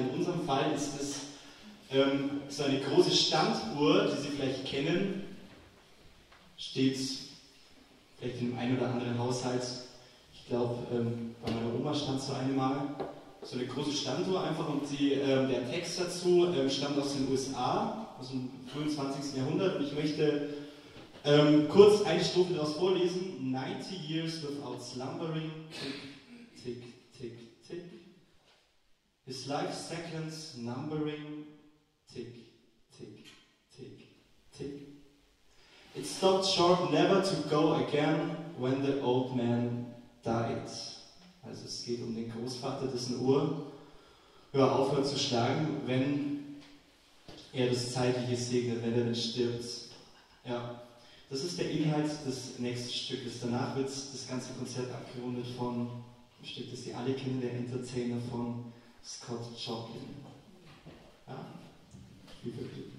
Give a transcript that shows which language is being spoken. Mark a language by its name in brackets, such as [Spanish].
[German] In unserem Fall ist es so eine große Standuhr, die Sie vielleicht kennen, steht vielleicht in dem einen oder anderen Haushalt. Ich glaube, bei meiner Oma stand so eine mal. So eine große Standuhr einfach und der Text dazu stammt aus den USA, aus dem 25. Jahrhundert. Und ich möchte kurz eine Strophe daraus vorlesen. [English] 90 years without slumbering, tick, tick, tick, tick. His life seconds numbering, tick, tick, tick, tick. It stopped short never to go again when the old man died. [German] Also es geht um den Großvater, dessen Uhr hör aufhört zu schlagen, wenn er das Zeitliche segnet, wenn er dann stirbt. Ja, das ist der Inhalt des nächsten Stückes. Danach wird das ganze Konzert abgerundet von ein Stück, das Sie alle kennen, der Entertainer von Scott Joplin. Ja, viel Glück.